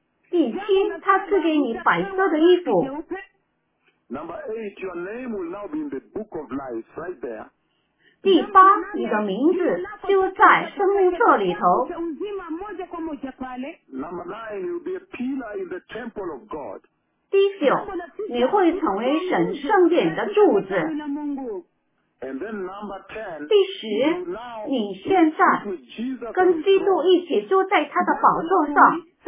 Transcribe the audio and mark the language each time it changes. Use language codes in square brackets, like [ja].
[zh] 第七，他赐给你白色的衣服。 [en] Number eight, your name will now be in the book of life, right there. [zh] 第八，你的名字就在生命册里头。第九，你会成为神圣殿的柱子。第十，你现在跟基督一起坐在他的宝座上。